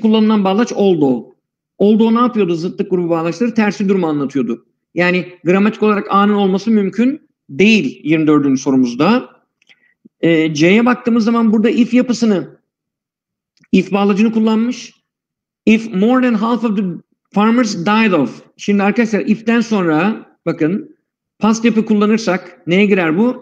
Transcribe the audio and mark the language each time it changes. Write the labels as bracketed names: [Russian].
[Turkish] Kullanılan bağlaç although. Although ne yapıyordu zıtlık grubu bağlaçları? Tersi durumu anlatıyordu. Yani gramatik olarak A'nın olması mümkün değil 24. sorumuzda. C'ye baktığımız zaman burada if yapısını, if bağlacını kullanmış. [English] If more than half of the farmers died of. [Turkish] Şimdi arkadaşlar if'ten sonra bakın past yapı kullanırsak neye girer bu?